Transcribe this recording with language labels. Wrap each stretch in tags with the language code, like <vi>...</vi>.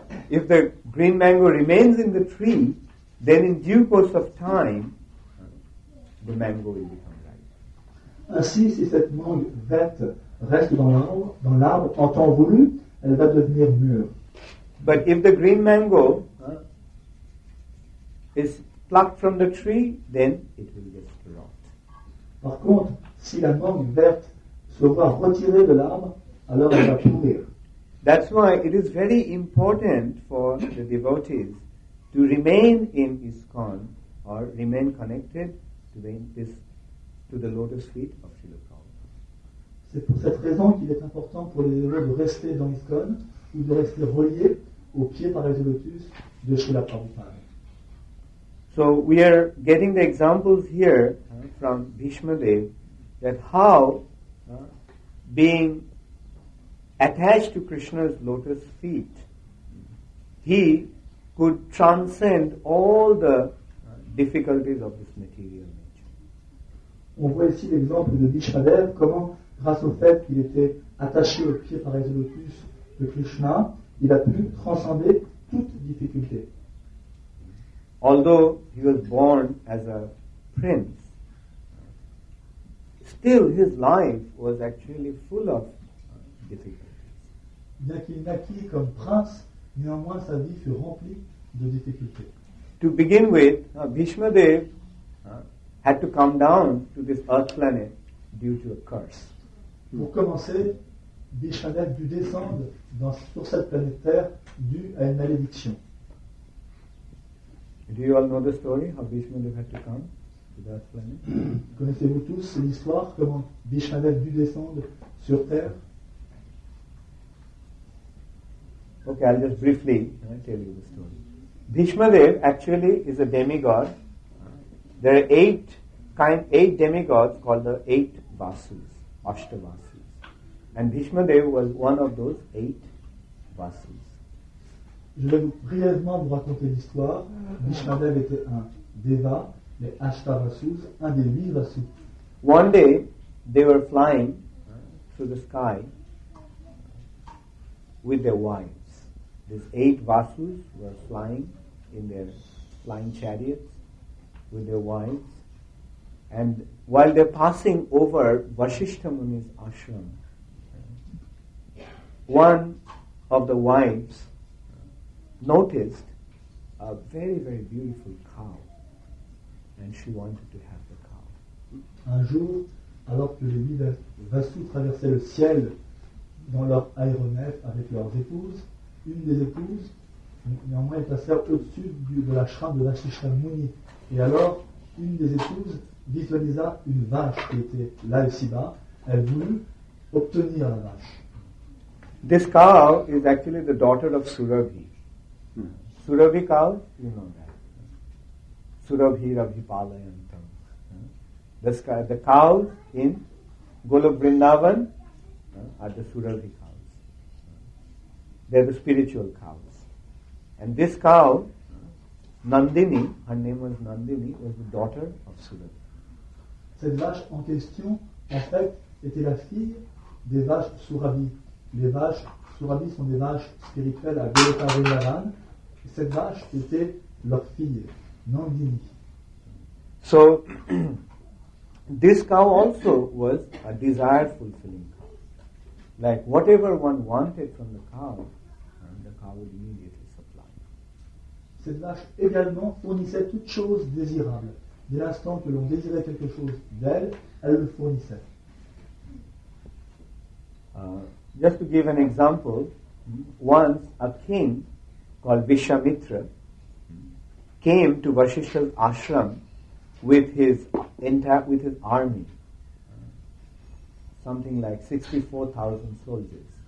<en>if the green mango remains in the tree, then in due course of time, the mango will become ripe.</en> <fr>Ainsi, si cette mangue verte reste dans l'arbre en temps voulu, elle va devenir mûre.</fr> <en>But if the green mango is plucked from the tree, then it will just rot.</en> <fr>Par contre, si la mangue verte se voit retirée de l'arbre, alors elle va pourrir.</fr> <en>That's why it is very important for the devotees to remain in ISKCON or remain connected to the lotus feet of Srila Prabhupada.</en> <fr>C'est pour cette raison qu'il est important pour les élèves de rester dans ISKCON ou de rester reliés aux pieds par les lotus de Srila Prabhupada.</fr> <en>So we are getting the examples here from Bhishma Dev that how being attached to Krishna's lotus feet, he could transcend all the difficulties of this material nature.</en> <fr>On voit ici l'exemple de Bhishma Dev, comment grâce au fait qu'il était attaché aux pieds par les lotus de Krishna, il a pu transcender toute difficulté.</fr> <en>Although he was born as a prince, still his life was actually full of difficulties.</en> <fr>Bien qu'il naquit comme prince, néanmoins sa vie fut remplie de difficultés.</fr> <en>To begin with, Bhishma Dev had to come down to this earth planet due to a curse.</en> <fr>Pour commencer, Bhishma Dev dut descendre sur cette planète Terre due à une malédiction.</fr> <en>Do you all know the story how Bhishma Dev had to come to the earth planet?</en> <fr>Connaissez-vous tous l'histoire comment Bhishma Dev dut descendre sur Terre?</fr> <en>Okay, I'll just briefly tell you the story. Bhishma Dev actually is a demigod. There are eight demigods called the eight Vasus, Ashtavasus. And Bhishma Dev was one of those eight Vasus.</en> <fr>Je vais brièvement vous raconter l'histoire. Bhishma Dev était un Deva, les Ashtavasus, un des huit Vasus.</fr> <en>One day, they were flying through the sky with their wives. These eight Vasus were flying in their flying chariots with their wives. And while they're passing over Vasishtha Muni's ashram, one of the wives noticed a very, very beautiful cow. And she wanted to have the cow.</en> <fr>Un jour, alors que les huit Vasus traversaient le ciel dans leur aéronef avec leurs épouses, une des épouses, néanmoins, est passée au-dessus de la shram de Vasishtha Muni. Et alors, une des épouses visualisa une vache qui était là ici-bas. Elle voulut obtenir la vache.</fr> <en>This cow is actually the daughter of Surabhi. Surabhi cow, you know that.</en> <sa>Surabhi Rabhipalayantam.</sa> <en>The cows in Golok Vrindavan are the Surabhi cows. They are the spiritual cows. And this cow, Nandini, her name was Nandini, was the daughter of Surabhi.</en> <fr>Cette vache en question, en fait, était la fille des vaches Surabhi. Les vaches Surabhi sont des vaches spirituelles à Goloka Vrindavan. Cette vache était leur fille, Nandini.</fr> <en>So, this cow also was a desire fulfilling cow. Like, whatever one wanted from the cow, would immediately supply.</en> <fr>Cette vache également fournissait toute chose désirable. Dès l'instant que l'on désirait quelque chose d'elle, elle le fournissait.</fr> <en>Just to give an example, once a king called Vishwamitra came to Vasishtha's ashram with his entire with his army, something like 64,000 soldiers.</en>